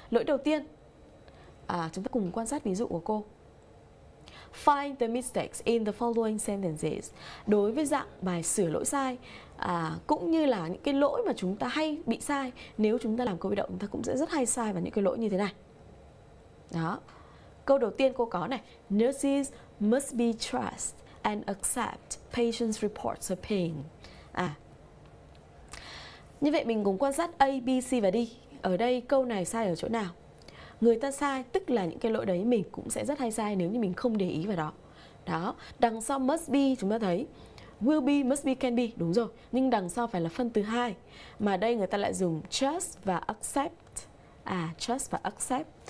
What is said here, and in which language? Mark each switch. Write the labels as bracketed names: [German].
[Vietnamese] Lỗi đầu tiên, chúng ta cùng quan sát ví dụ của cô. [English] Find the mistakes in the following sentences. [Vietnamese] Đối với dạng bài sửa lỗi sai, cũng như là những cái lỗi mà chúng ta hay bị sai, nếu chúng ta làm câu bị động, chúng ta cũng sẽ rất hay sai vào những cái lỗi như thế này. Đó. Câu đầu tiên cô có này. [English] Nurses must be trusted and accept patients' reports of pain. [Vietnamese] Như vậy mình cùng quan sát A, B, C và D. Ở đây câu này sai ở chỗ nào? Người ta sai, tức là những cái lỗi đấy mình cũng sẽ rất hay sai nếu như mình không để ý vào đó. Đó, đằng sau must be chúng ta thấy will be, must be, can be, đúng rồi. Nhưng đằng sau phải là phân từ hai, mà đây người ta lại dùng trust và accept. Trust và accept.